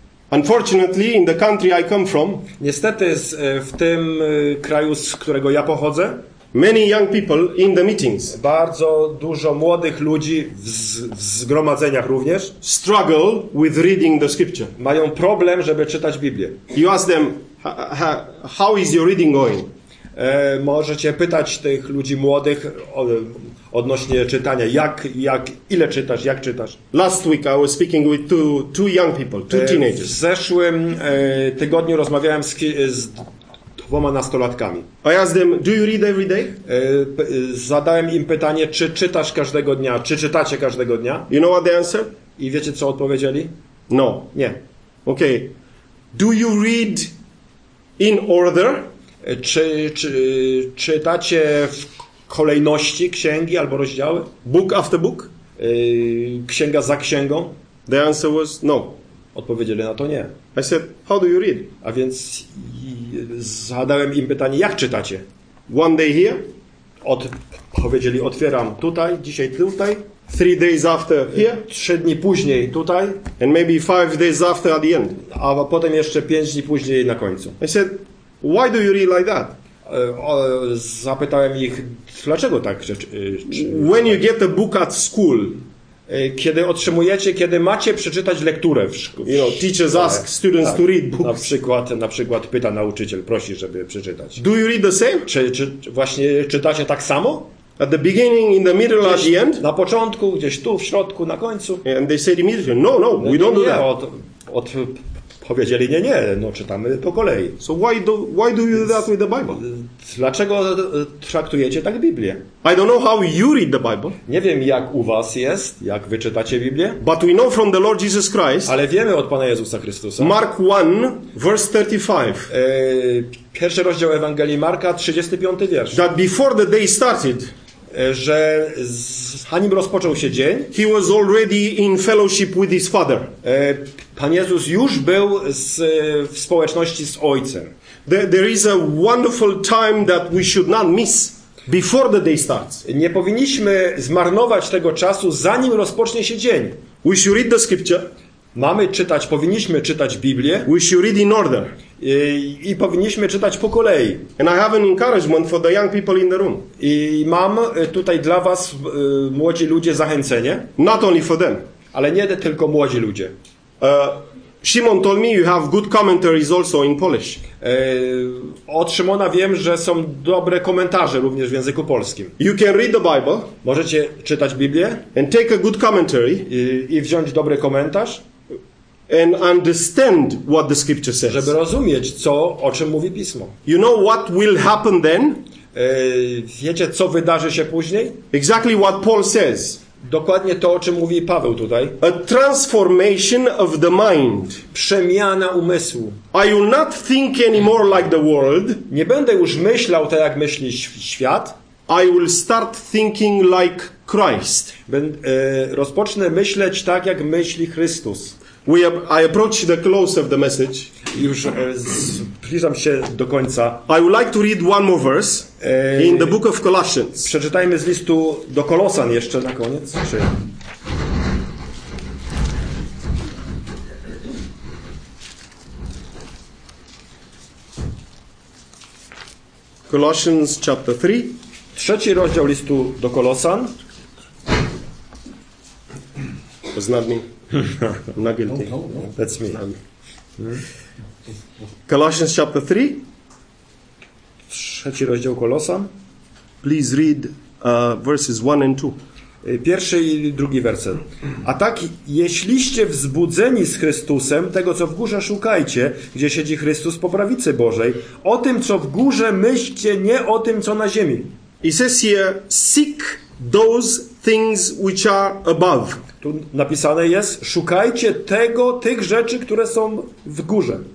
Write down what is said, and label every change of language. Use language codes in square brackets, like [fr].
[en] Unfortunately, in the country I come from, [pl] niestety w tym kraju, z którego ja pochodzę, [en] many young people in the meetings, [pl] bardzo dużo młodych ludzi w zgromadzeniach również, [en] struggle with reading the scripture. [pl] Mają problem, żeby czytać Biblię. [en] You ask them, how is your reading going? [pl] Możecie pytać tych ludzi młodych odnośnie czytania, ile czytasz, jak czytasz. [en] Last week I was speaking with two young people, two teenagers. [pl] W zeszłym tygodniu rozmawiałem z dwoma nastolatkami. [en] I asked them, do you read every day? [pl] Zadałem im pytanie, czy czytasz każdego dnia, czy czytacie każdego dnia? [en] You know what the answer? [pl] I wiecie, co odpowiedzieli? [en] No. [pl] Nie. [en] Okay. Do you read in order? [pl] Czy czytacie w kolejności księgi albo rozdziały? [en] Book after book? [pl] Księga za księgą? [en] The answer was no. [pl] Odpowiedzieli na to nie. [en] I said, how do you read? [pl] A więc zadałem im pytanie, jak czytacie? [en] One day here? [pl] Odpowiedzieli, otwieram tutaj, dzisiaj tutaj. [en] 3 days after here? [pl] 3 dni później tutaj. [en] And maybe 5 days after at the end. [pl] A potem jeszcze 5 dni później na końcu. [en] I said, why do you read like that? [pl] Zapytałem ich, dlaczego tak [en] When you get a book at school, [pl] kiedy otrzymujecie, kiedy macie przeczytać lekturę w szkole. [en] You know, teachers ask students to read books. [pl] Na przykład pyta nauczyciel, prosi, żeby przeczytać. [en] Do you read the same? [pl] Czy właśnie czytacie tak samo? [en] At the beginning, in the middle, [pl] gdzieś, [en] at the end? [pl] Na początku, gdzieś tu, w środku, na końcu. [en] And they said immediately, no, we don't do that. [pl] Powiedzieli, nie, no czytamy po kolei. [en] So why do you do that with the Bible? [pl] Dlaczego traktujecie tak Biblię? [en] I don't know how you read the Bible. [pl] Nie wiem, jak u was jest, jak wy czytacie Biblię. [en] But we know from the Lord Jesus Christ. [pl] Ale wiemy od Pana Jezusa Chrystusa. [en] Mark 1, verse 35. [pl] Pierwszy rozdział Ewangelii Marka, 35 wiersz. [en] That before the day started, [pl] że zanim rozpoczął się dzień, [en] he was already in fellowship with his father. [pl] Pan Jezus już był w społeczności z Ojcem. [en] There is a wonderful time that we should not miss before the day starts. [pl] Nie powinniśmy zmarnować tego czasu, zanim rozpocznie się dzień. [en] We should read the scripture. [pl] Mamy czytać, powinniśmy czytać Biblię. [en] We should read in order. [pl] I powinniśmy czytać po kolei. [en] And I have an encouragement for the young people in the room. [pl] I mam tutaj dla was, młodzi ludzie, zachęcenie. [en] Not only for them. [pl] Ale nie tylko młodzi ludzie. [en] Shimon told me you have good commentaries also in Polish. [pl] Od Szymona wiem, że są dobre komentarze również w języku polskim. [en] You can read the Bible. [pl] Możecie czytać Biblię. [en] And take a good commentary. [pl] I wziąć dobry komentarz. [en] And understand what the scripture says. [pl] Żeby rozumieć, co, o czym mówi Pismo. [en] You know what will happen then? [pl] Wiecie, co wydarzy się później? [en] Exactly what Paul says. [pl] Dokładnie to, o czym mówi Paweł tutaj. [en] A transformation of the mind. [pl] Przemiana umysłu. [en] I will not think anymore like the world. [pl] Nie będę już myślał tak, jak myśli świat. [en] I will start thinking like Christ. [pl] Rozpocznę myśleć tak, jak myśli Chrystus. [en] I approach the close of the message. [pl] Już zbliżam się do końca. [en] I would like to read one more verse in the book of Colossians. [pl] Przeczytajmy z listu do Kolosan jeszcze na koniec. [en] Colossians chapter 3. [pl] Trzeci rozdział listu do Kolosan. Poznawmy. [en] Not guilty. No, no. That's me. Colossians chapter 3. [pl] Trzeci rozdział Kolosan. [en] Please read verses 1 and 2. [pl] Pierwszy i drugi werset. A tak, jeśliście wzbudzeni z Chrystusem, tego co w górze szukajcie, gdzie siedzi Chrystus po prawicy Bożej, o tym co w górze myślcie, nie o tym co na ziemi. [en] It says here, seek those things which are above. [pl] Tu napisane jest, szukajcie tego, tych rzeczy, które są w górze.